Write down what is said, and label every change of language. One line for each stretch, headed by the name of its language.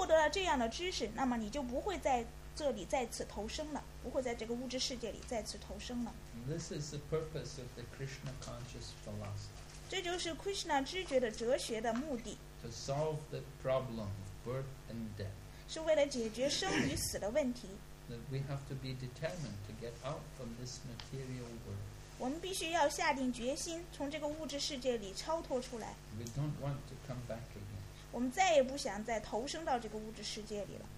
Chinese: 这里说到了，不管你现在，我们只因为获得了这样的知识，那么你就不会再。这里再次投生了，不会在这个物质世界里再次投生了。
English: This is the purpose of the Krishna conscious philosophy.
Chinese: 这就是Krishna知觉的哲学的目的。
English: To solve the problem of birth and death.
Chinese: 是为了解决生与死的问题。
English: That we have to be determined to get out from this material world.
Chinese: 我们必须要下定决心从这个物质世界里超脱出来。
English: We don't want to come back again.
Chinese: 我们再也不想再投生到这个物质世界里了。